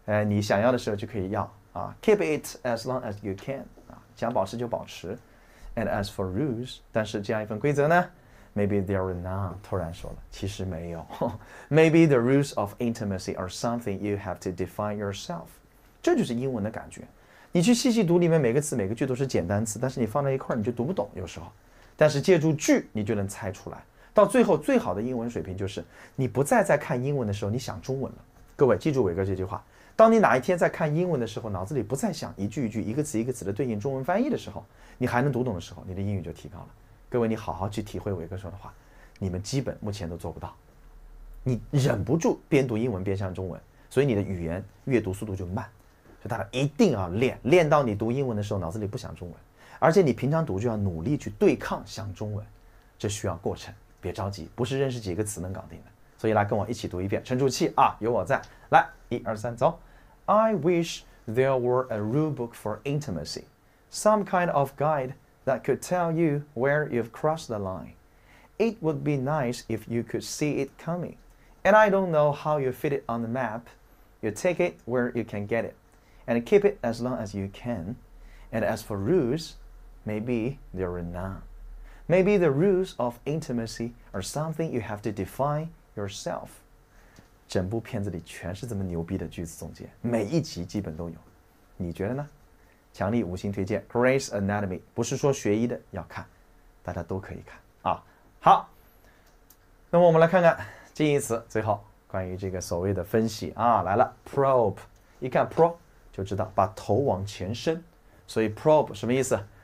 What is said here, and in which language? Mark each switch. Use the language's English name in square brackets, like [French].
[Chinese] 你想要的时候就可以要啊 ， [English] keep it as long as you can， [Chinese] 啊，想保持就保持 ， [English] and as for rules， [Chinese] 但是这样一份规则呢 [English] Maybe they're not. [Chinese] 突然说了，其实没有。 [English] Maybe the rules of intimacy are something you have to define yourself. [Chinese] 这就是英文的感觉。你去细细读里面每个词每个句都是简单词，但是你放在一块你就读不懂有时候。但是借助句你就能猜出来。到最后最好的英文水平就是你不再在看英文的时候你想中文了。各位记住伟哥这句话。当你哪一天在看英文的时候脑子里不再想一句一句一个词一个词的对应中文翻译的时候，你还能读懂的时候，你的英语就提高了。各位你好好去体会伟哥说的话，你们基本目前都做不到。你忍不住边读英文边像中文，所以你的语言阅读速度就慢。所以大家一定要练，练到你读英文的时候脑子里不想中文，而且你平常读就要努力去对抗想中文，这需要过程，别着急，不是认识几个词能搞定的。所以来跟我一起读一遍，沉住气啊，有我在。来，一二三，走。 [English] I wish there were a rule book for intimacy, some kind of guideThat could tell you where you've crossed the line. It would be nice if you could see it coming. And I don't know how you fit it on the map. You take it where you can get it, and keep it as long as you can. And as for rules, maybe there are none. Maybe the rules of intimacy are something you have to define yourself. [Chinese] 整部片子里全是这么牛逼的句子总结，每一集基本都有。你觉得呢？强力五星推荐 Grey's Anatomy， 不是说学医的要看，大家都可以看啊。好，那么我们来看看近义词，最后关于这个所谓的分析啊，来了 probe， 一看 pro 就知道把头往前伸，所以 probe 什么意思？